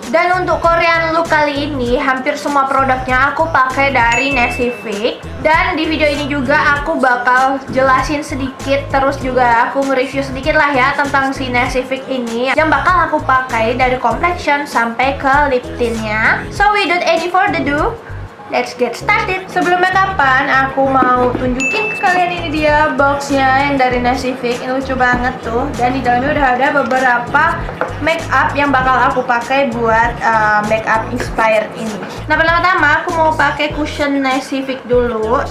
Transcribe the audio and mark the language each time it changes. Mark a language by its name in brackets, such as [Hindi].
[Indonesian] Dan untuk Korean look kali ini, hampir semua produknya aku pakai dari Nescafe. Dan di video ini juga aku bakal jelasin sedikit, terus juga aku nge-review sedikit lah ya tentang si Nescafe ini yang bakal aku pakai dari complexion sampai ke lip tint-nya. [English] So without any further ado, let's get started. [Indonesian] Sebelumnya kapan aku mau tunjukin ke kalian, ini dia boxnya yang dari Nescafe. Ini lucu banget tuh. Dan di dalamnya udah ada beberapa make up yang bakal aku pakai buat make up inspired ini. Nah pertama-tama aku mau pakai cushion Nescafe dulu.